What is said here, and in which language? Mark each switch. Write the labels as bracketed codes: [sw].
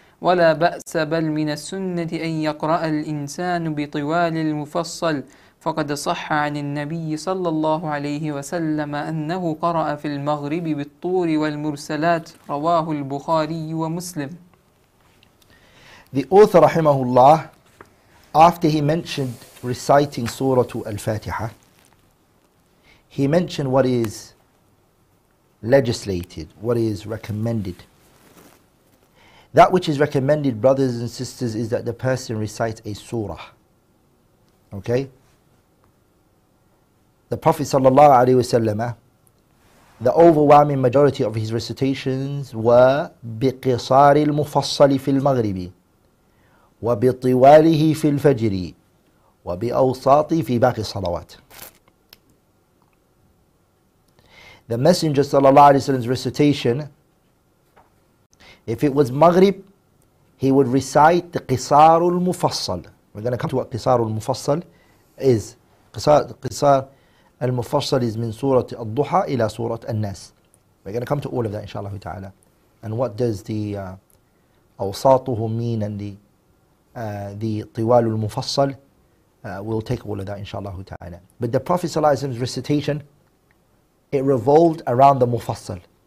[ar] ولا بأس بل من السنة أن يقرأ الإنسان بطوال المفصل، فقد صح عن النبي صلى الله عليه وسلم أنه قرأ في المغرب بالطور والمرسلات، رواه البخاري ومسلم. [en] The author رحمه الله, after he mentioned reciting سورة الفاتحة, he mentioned what is legislated, what is recommended. That which is recommended, brothers and sisters, is that the person recites a surah. Okay? The Prophet sallallahu alaihi wasallam, the overwhelming majority of his recitations were [ar] بقصار المفصل في المغرب وبطواله في الفجر وبأوساطه في باقي الصلوات. [en] The Messenger sallallahu alaihi wasallam's recitation, if it was Maghrib, he would recite the قصار المفصل. We're going to come to what قصار المفصل is. [ar] قصار المفصل is من سورة الضحى إلى سورة الناس. [en] We're going to come to all of that, inshallah ta'ala. And what does the أوساطه mean and the طوال المفصل? We'll take all of that, inshallah ta'ala. But the Prophet ﷺ's recitation, it revolved around the مفصل.